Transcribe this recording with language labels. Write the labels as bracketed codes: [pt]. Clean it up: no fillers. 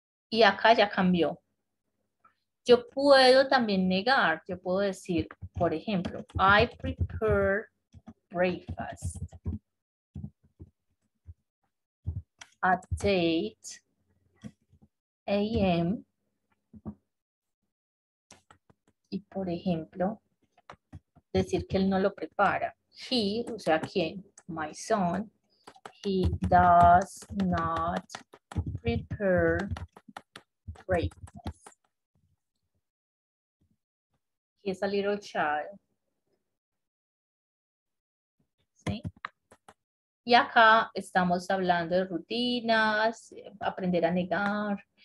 [es] Y acá ya cambió. Yo puedo también negar, yo puedo decir, por ejemplo, [en] I prepare breakfast at 8 a.m. [es] Y por ejemplo, decir que él no lo prepara. [en] He, [es] o sea, ¿quién? [en] My son. He does not prepare is a little child. [es] ¿Sí? Y acá estamos hablando de rutinas, aprender a negar.